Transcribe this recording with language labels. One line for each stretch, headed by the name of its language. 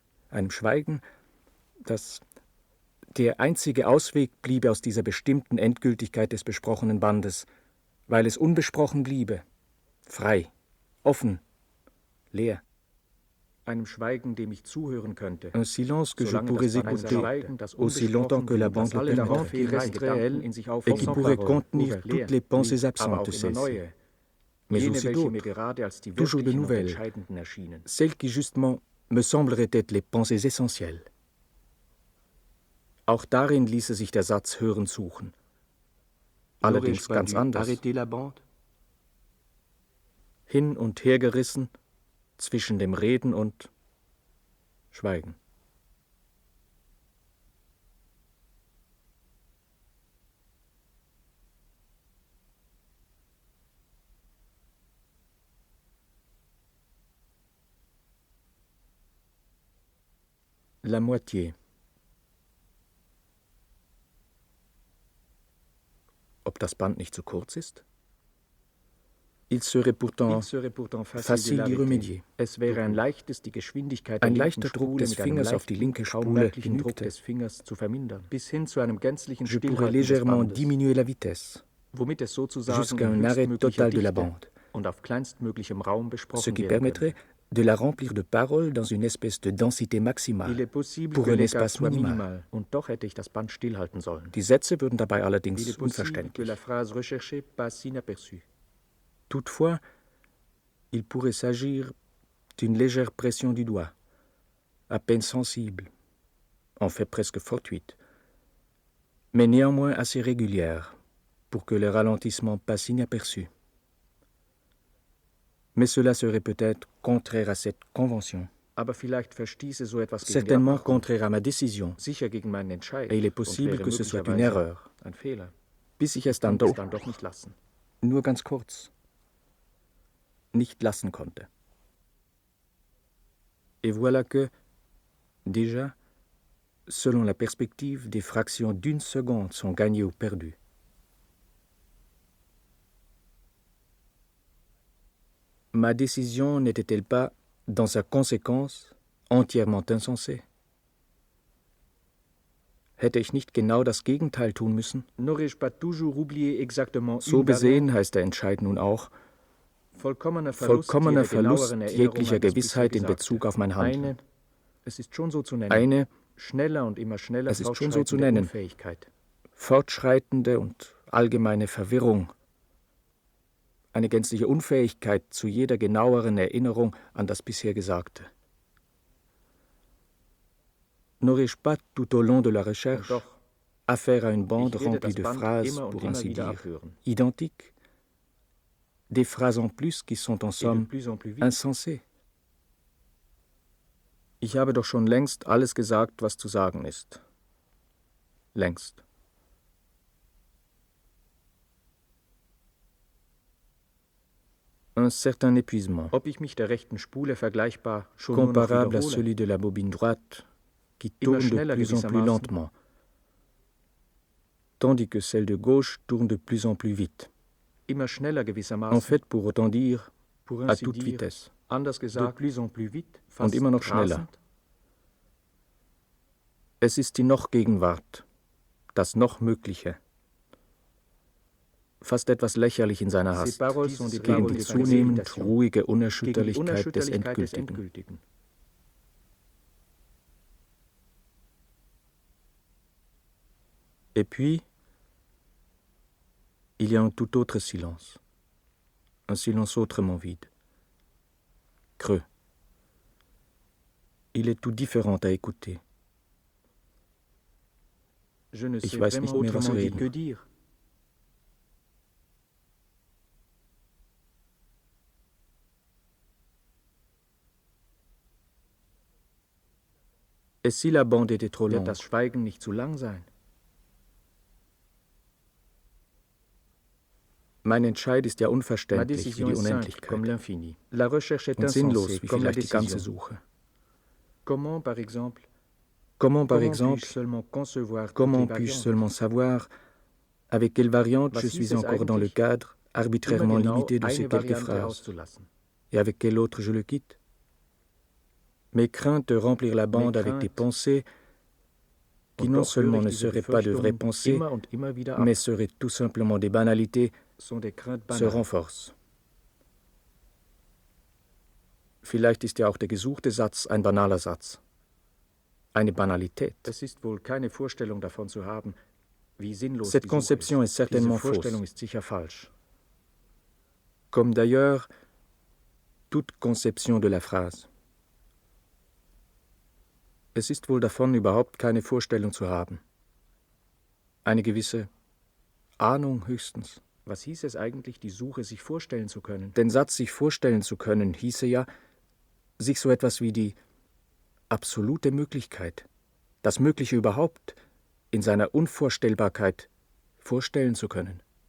German: Einem Schweigen, das der einzige Ausweg bliebe aus dieser bestimmten Endgültigkeit des besprochenen Bandes, weil es unbesprochen bliebe, frei, offen, leer. Einem Schweigen, dem ich zuhören könnte.
French: Un silence que je pourrais écouter aussi longtemps que la bande le permettrait, et qui pourrait contenir toutes les pensées absentes de celles-ci. Mais aussi d'autres, toujours de nouvelles, celles qui justement me sembleraient être les pensées essentielles.
German: Auch darin ließe sich der Satz hören suchen. Allerdings ganz anders. Hin- und hergerissen zwischen dem Reden und Schweigen.
French: La moitié.
German: Ob das Band nicht zu kurz ist?
French: Il serait pourtant facile d'y remédier.
German: Es wäre ein leichtes, die Geschwindigkeit der linken Spule, ein leichter Druck des Fingers auf die linke Spule, den Druck des Fingers zu vermindern, bis hin zu einem gänzlichen Stillhalten.
French: Je pourrais légèrement diminuer la vitesse,
German: womit es sozusagen
French: jusqu'à un arrêt total de la bande,
German: und auf kleinstmöglichem Raum besprochen werden.
French: Ce qui permettrait de la remplir de paroles dans une espèce de densité maximale. Il est possible pour un espace minimal.
German: Und doch hätte ich das Band stillhalten sollen. Die Sätze würden dabei allerdings unverständlich.
French: Que la phrase recherchée passe inaperçue. Toutefois, il pourrait s'agir d'une légère pression du doigt, à peine sensible, en fait presque fortuite, mais néanmoins assez régulière pour que le ralentissement passe inaperçu. Mais cela serait peut-être contraire à cette convention.
German: Aber vielleicht verstieße so etwas
French: certainement contraire à ma décision.
German: Sicher gegen meinen Entscheid.
French: Et il est possible que ce soit une erreur.
German: Ein Fehler. Bis ich es dann doch nicht lassen. Nur ganz kurz. Nicht lassen konnte.
French: Et voilà que, déjà, selon la perspective, des fractions d'une seconde sont gagnées ou perdues. Ma décision n'était-elle pas, dans sa conséquence, entièrement insensée?
German: Hätte ich nicht genau das Gegenteil tun müssen?
French: N'aurais-je pas toujours oublié exactement?
German: So besehen heißt der Entscheid nun auch, vollkommener Verlust jeglicher Gewissheit in Bezug auf mein Handeln. Eine, es ist schon so zu nennen, eine, schneller und immer schneller es ist schon so zu nennen, Unfähigkeit. Fortschreitende und allgemeine Verwirrung, eine gänzliche Unfähigkeit zu jeder genaueren Erinnerung an das bisher Gesagte.
French: N'aurais-je pas tout au long de la recherche
German: doch,
French: affaire à une bande remplie de phrases, pour ainsi dire, identiques, des phrases en plus qui sont en somme de plus en plus insensées.
German: Ich habe doch schon längst alles gesagt, was zu sagen ist. Längst.
French: Un certain épuisement.
German: Ob ich mich der rechten Spule vergleichbar schon
French: comparable à celui de la bobine droite qui tourne de plus en plus lentement, tandis que celle de gauche tourne de plus en plus vite.
German: Immer schneller gewissermaßen.
French: En fait, pour autant dire, pour à toute dire, vitesse.
German: Anders gesagt,
French: de plus en plus vite,
German: fast und immer noch schneller. Rasend. Es ist die noch Gegenwart, das noch Mögliche. Fast etwas lächerlich in seiner Hast, gegen die zunehmend ruhige Unerschütterlichkeit des Endgültigen.
French: Et puis, il y a un tout autre silence, un silence autrement vide, creux. Il est tout différent à écouter. Je ne
German: ich
French: sais
German: weiß
French: vraiment
German: nicht mehr, was reden.
French: Et si la bande était trop longue?
German: Wird das Schweigen nicht zu lang sein? Mein Entscheid ist ja unverständlich wie die Unendlichkeit.
French: Comme l'infini. La recherche est
German: und sinnlos wie
French: comme
German: vielleicht die ganze Suche.
French: Comment par exemple? Comment par exemple? Seulement concevoir comment puis-je seulement savoir avec quelle variante je suis encore dans le cadre arbitrairement limité de ces quelques phrases? Et avec quelle autre je le quitte? Mes craintes de remplir la bande avec des pensées qui non seulement ne seraient pas de vraies pensées, mais seraient tout simplement des banalités, se renforcent.
German: Vielleicht ist ja auch der gesuchte Satz ein banaler Satz. Eine Banalität. Es ist wohl keine Vorstellung davon zu haben, wie sinnlos
French: cette conception est certainement fausse.
German: Diese Vorstellung ist sicher falsch.
French: Comme d'ailleurs toute conception de la phrase.
German: Es ist wohl davon überhaupt keine Vorstellung zu haben. Eine gewisse Ahnung höchstens. Was hieß es eigentlich, die Suche sich vorstellen zu können? Den Satz sich vorstellen zu können hieße ja, sich so etwas wie die absolute Möglichkeit, das Mögliche überhaupt in seiner Unvorstellbarkeit vorstellen zu können.